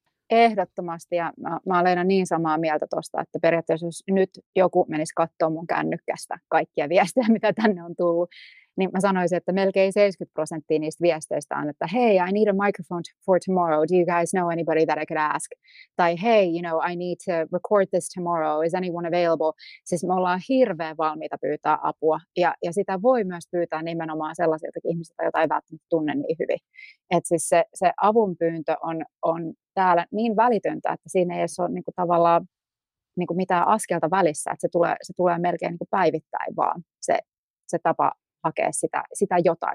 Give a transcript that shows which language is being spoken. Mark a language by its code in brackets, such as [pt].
[fi] Ehdottomasti, ja mä olen aina niin samaa mieltä tuosta, että periaatteessa jos nyt joku menisi katsoa mun kännykkästä kaikkia viestejä, mitä tänne on tullut, niin mä sanoisin, että melkein 70% niistä viesteistä on, että [en] hey, I need a microphone for tomorrow, do you guys know anybody that I could ask? Tai hey, you know, I need to record this tomorrow, is anyone available? [fi] Siis me ollaan hirveän valmiita pyytää apua, ja sitä voi myös pyytää nimenomaan sellaisilta ihmisiltä, joita ei välttämättä tunne niin hyvin. Että siis se avun pyyntö on täällä niin välitöntä, että siinä ei ole niinku tavallaan niinku mitään askelta välissä, että se tulee melkein niinku päivittäin vaan se tapa hakea sitä jotain.